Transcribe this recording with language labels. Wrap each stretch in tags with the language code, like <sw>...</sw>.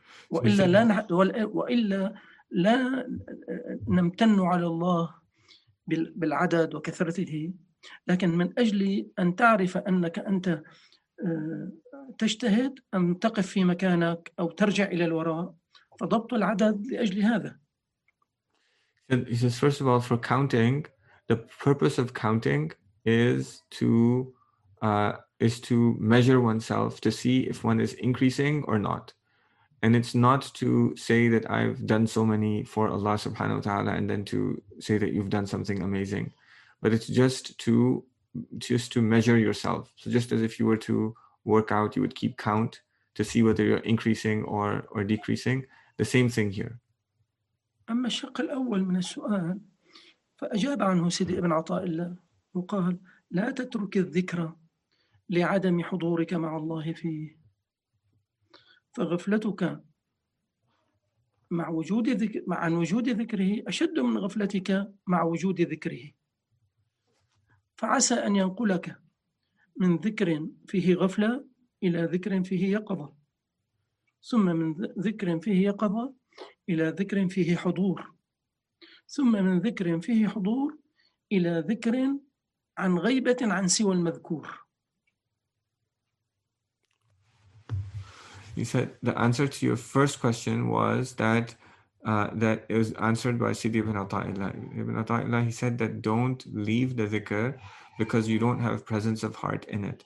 <ar>وإلا لا نمتن على الله بالعدد وكثرته، لكن من أجل أن تعرف أنك أنت تجتهد أن تقف في مكانك أو ترجع إلى الوراء، فضبط العدد لأجل هذا.</ar> <en>He says, first of all, for counting, the purpose of counting is to measure oneself to see if one is increasing or not. And it's not to say that I've done so many for Allah subhanahu wa ta'ala and then to say that you've done something amazing. But it's just to measure yourself. So just as if you were to work out, you would keep count to see whether you're increasing or decreasing. The same thing here.</en> <ar>أما الشق الأول من السؤال فأجاب عنه سيدي ابن عطاء الله وقال لا تترك الذكر لعدم حضورك مع الله فيه، فغفلتك مع وجود ذكر مع وجود ذكره أشد من غفلتك مع وجود ذكره، فعسى أن ينقلك من ذكر فيه غفلة إلى ذكر فيه يقظة، ثم من ذكر فيه يقظة إلى ذكر فيه حضور، ثم من ذكر فيه حضور إلى ذكر عن غيبة عن سوى المذكور.</ar> <en>He said the answer to your first question was that it was answered by Sidi Ibn Ata'illah. Ibn Ata'illah, he said that don't leave the dhikr because you don't have presence of heart in it.</en>